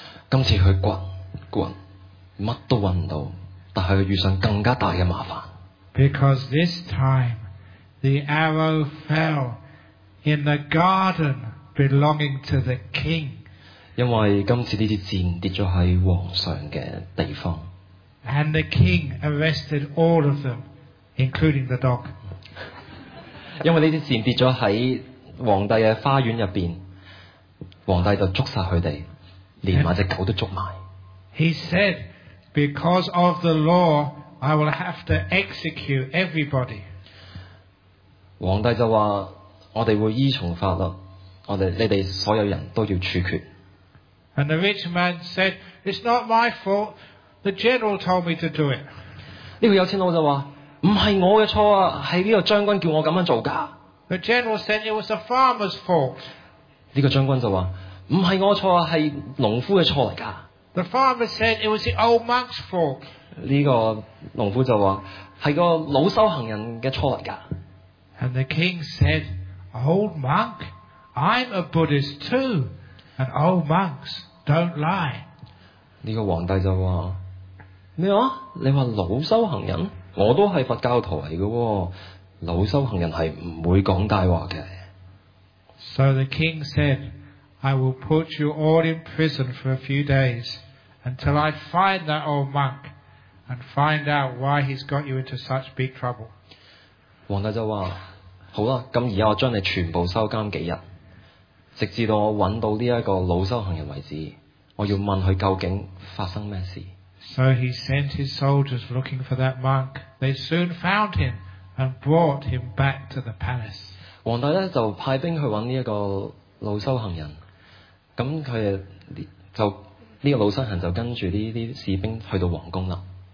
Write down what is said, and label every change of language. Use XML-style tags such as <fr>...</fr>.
<yue>今次去掘，乜都揾唔到，但系遇上更加大嘅麻烦。</yue> <en>Because this time, the arrow fell in the garden belonging to the king.</en> <yue>因为今次呢支箭跌咗喺皇上嘅地方。</yue> <en>And the king arrested all of them, including the dog.</en> <yue>因为呢支箭跌咗喺皇帝嘅花园入边，皇帝就捉晒佢哋，连埋只狗都捉埋。</yue> <en>He said, "Because of the law, I will have to execute everybody."</en> <yue>皇帝就话：我哋会依从法律，我哋你哋所有人都要处决。</yue> <en>And the rich man said, "It's not my fault. The general told me to do it."</en> <yue>呢个有钱佬就话：唔系我嘅错啊，系呢个将军叫我咁样做噶。</yue> <en>The general said it was the farmer's fault.</en> <yue>呢个将军就话：唔系我错啊，系农夫嘅错嚟噶。</yue> <en>The farmer said it was the old monk's fault.</en> <yue>呢个农夫就话系个老修行人嘅错嚟噶。</yue> <en>And the king said, "Old monk, I'm a Buddhist too, and old monks don't lie."</en> <yue>呢个皇帝就话咩啊？你话老修行人，我都系佛教徒嚟噶，老修行人系唔会讲大话嘅。</yue> <en>So the king said. I will put you all in prison for a few days until I find that old monk and find out why he's got you into such big trouble.</en> <yue>皇帝就话：好啦，咁而家我将你全部收监几日，直至到我揾到呢一个老修行人为止。我要问佢究竟发生咩事。</yue> <en>So he sent his soldiers looking for that monk. They soon found him and brought him back to the palace.</en> <yue>皇帝咧就派兵去揾呢一个。老修行人，咁佢就呢、這个老修行人就跟住呢啲士兵去到皇宫啦。</yue>